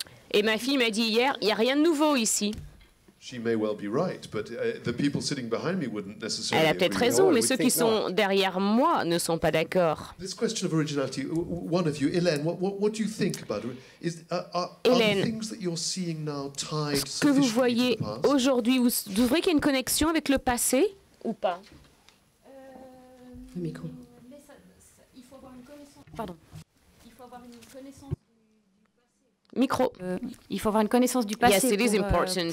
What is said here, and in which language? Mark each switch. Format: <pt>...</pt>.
<fr>Et ma fille m'a dit hier, il n'y a rien de nouveau ici.</fr> <en>She may well be right, but the people sitting behind me wouldn't necessarily agree.</en> <fr>Elle a peut-être raison, mais ceux qui sont derrière moi ne sont pas d'accord.</fr> <en>This question of originality, one of you, Hélène, what do you think about it? Are the things that you're seeing now tied sufficiently to the past?</en> <fr>Ce que vous voyez aujourd'hui, vous trouvez qu'il y a une connexion avec le passé ou pas? Le micro. Mais il faut avoir une connaissance. Pardon. Il faut avoir une connaissance. Micro. Il faut avoir une connaissance du passé</fr> <en>yes,</en>